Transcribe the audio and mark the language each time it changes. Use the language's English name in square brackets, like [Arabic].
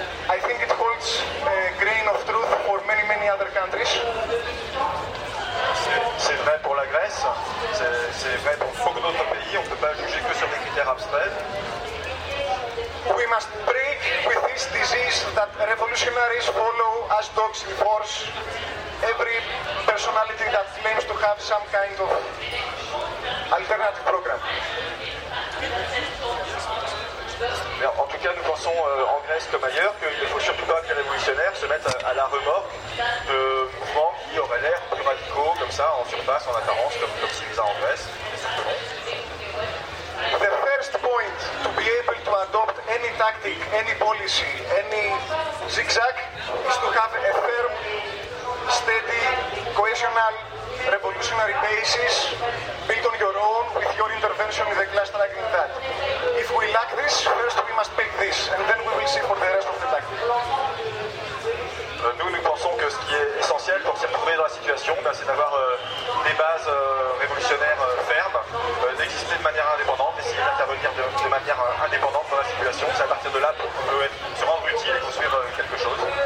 [English] I think it holds a grain of truth for many, many other countries. [French] C'est vrai pour la Grèce, c'est vrai pour beaucoup d'autres pays, on ne peut pas juger que sur des critères abstraits. [English] We must break with this disease that revolutionaries follow as dogs in force every personality that claims to have some kind of alternative program. [French] Mais en tout cas, nous pensons en Grèce comme ailleurs qu'il ne faut surtout pas que les révolutionnaires se mettent à la remorque de mouvements qui auraient l'air plus radicaux, comme ça, en surface, en apparence, comme Syriza en Grèce. [English] The first point to be able to adopt any tactic, any policy, any zigzag is to have a firm, steady, cohesional revolutionary basis built on your own with your intervention in the class struggle like that. If we lack this, first we must pick this and then we will see for the rest of the tactic. [French] Nous pensons que ce qui est essentiel pour se retrouver dans la situation, ben, c'est d'avoir des bases révolutionnaires fermes, d'exister de manière indépendante, d'essayer d'intervenir de manière indépendante dans la situation. C'est à partir de là qu'on peut être, se rendre utile et construire quelque chose.